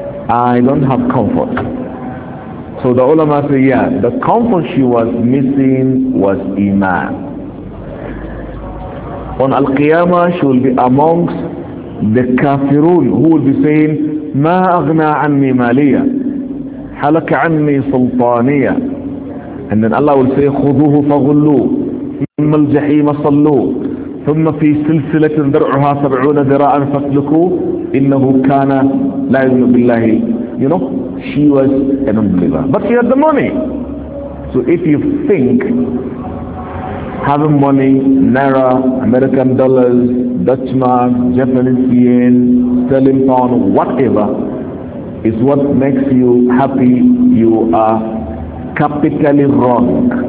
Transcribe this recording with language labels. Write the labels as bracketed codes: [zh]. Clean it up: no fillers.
[en] I don't have comfort. So the ulama said, yeah, the comfort she was missing was iman. On Al-Qiyamah, she will be amongst the kafirun who will be saying, [ar] مَا أَغْنَى عَنِّي مَالِيَا حَلَكَ عَنِّي سُلْطَانِيَا. [en] And then Allah will say, [ar] خُذُوهُ فَغُلُّوهُ ثُمَّ الْجَحِيمَ صَلُّوهُ ثُمَّ فِي سِلْسِلَةٍ ذَرْعُهَا سَبْعُونَ ذِرَاءً فَاسْلُكُوهُ إِنَّهُ كَانَ لَا يُؤْمِنُ بِاللَّهِ. [en] You know, she was an unbeliever, but she had the money. So if you think having money, Naira, American dollars, Dutch mark, Japanese yen, sterling pound, whatever, is what makes you happy, you are capitally wrong.